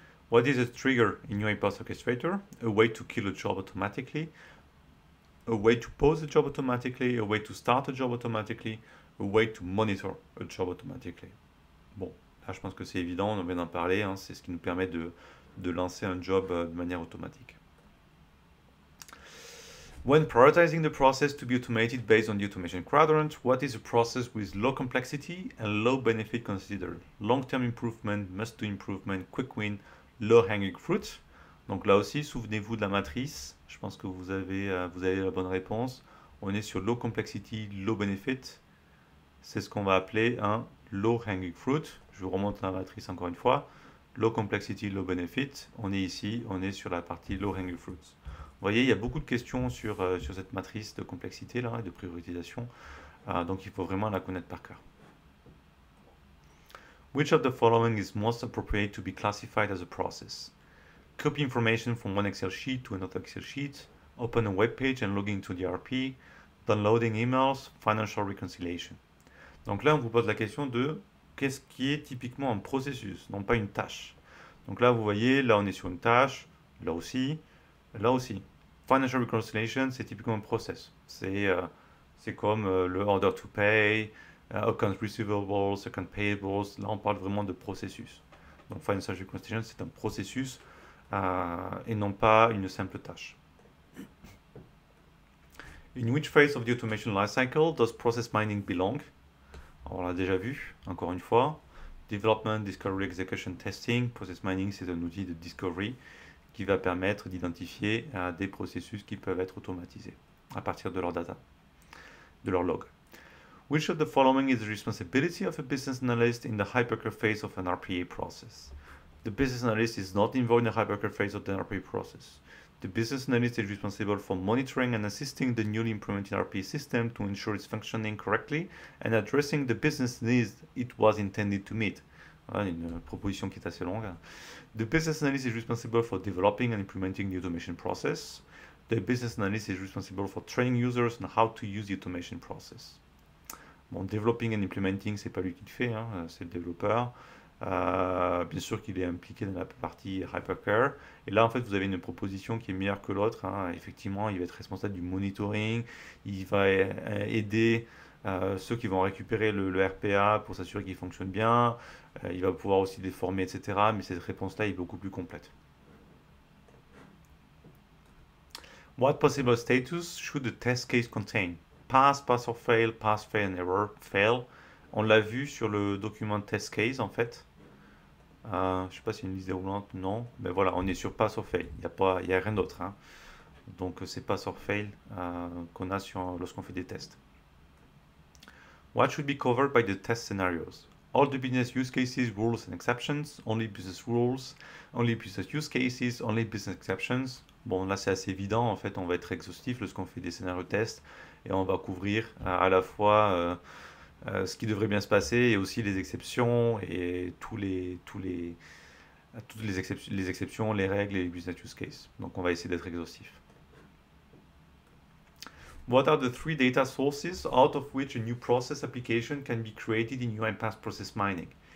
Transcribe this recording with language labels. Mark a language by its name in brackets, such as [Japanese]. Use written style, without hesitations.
[English] What is a trigger in UiPath Orchestrator? A way to kill a job automatically, a way to pause a job automatically, a way to start a job automatically, a way to monitor a job automatically. [French] Bon, là je pense que c'est évident, on vient d'en parler, hein, c'est ce qui nous permet de lancer un job de manière automatique. [English] When prioritizing the process to be automated based on the automation quadrant, what is a process with low complexity and low benefit considered? Long-term improvement, must-do improvement, quick win, low-hanging fruit. [French] Donc là aussi, souvenez-vous de la matrice. Je pense que vous avez la bonne réponse. On est sur low complexity, low benefit. C'est ce qu'on va appeler un low-hanging fruit. Je vous remonte la matrice encore une fois. Low complexity, low benefit. On est ici, on est sur la partie low-hanging fruit. Vous voyez, il y a beaucoup de questions sur cette matrice de complexité là et de priorisation. Donc il faut vraiment la connaître par cœur. [English] Which of the following is most appropriate to be classified as a process? Copy information from one Excel sheet to another Excel sheet, open a web page and log into the ERP, downloading emails, financial reconciliation. [French] Donc là, on vous pose la question de qu'est-ce qui est typiquement un processus, non pas une tâche. Donc là, vous voyez, là, on est sur une tâche, là aussi, là aussi. Financial reconciliation, c'est typiquement un process. C'est comme le order to pay, account receivables, account payables. Là, on parle vraiment de processus. Donc, financial reconciliation, c'est un processus et non pas une simple tâche. [English] In which phase of the automation lifecycle does process mining belong? [French] On l'a déjà vu, encore une fois. [English] Development, discovery, execution, testing. [French] Process mining, c'est un outil de discovery qui va permettre d'identifier des processus qui peuvent être automatisés à partir de leur data, de leur log. [English] Which of the following is the responsibility of a business analyst in the hypercare phase of an RPA process? The business analyst is not involved in the hypercare phase of the RPA process. The business analyst is responsible for monitoring and assisting the newly implemented RPA system to ensure it's functioning correctly and addressing the business needs it was intended to meet. [French] Voilà une proposition qui est assez longue. [English] The business analyst is responsible for developing and implementing the automation process. The business analyst is responsible for training users on how to use the automation process. [French] Bon, developing and implementing, c'est pas lui qui le fait, hein, c'est le développeur. Bien sûr qu'il est impliqué dans la partie hypercare. Et là, en fait, vous avez une proposition qui est meilleure que l'autre. Hein. Effectivement, il va être responsable du monitoring. Il va aider ceux qui vont récupérer le RPA pour s'assurer qu'il fonctionne bien. Il va pouvoir aussi les former, etc. Mais cette réponse-là est beaucoup plus complète. [English] What possible status should the test case contain? Pass, pass or fail, pass, fail and error, fail. [French] On l'a vu sur le document test case en fait. Je ne sais pas si c'est une liste déroulante, non. Mais voilà, on est sur pass or fail. Il n'y a rien d'autre. Hein. Donc c'est pass or fail qu'on a lorsqu'on fait des tests. [English] What should be covered by the test scenarios? All the business use cases, rules and exceptions. Only business rules. Only business use cases. Only business exceptions. [French] Bon, là c'est assez évident. En fait, on va être exhaustif lorsqu'on fait des scénarios tests. Et on va couvrir à la fois ce qui devrait bien se passer et aussi les exceptions et toutes les exceptions, les règles et les business use cases. Donc on va essayer d'être exhaustif. [English] What are the three data sources out of which a new process application can be created in UiPath process mining?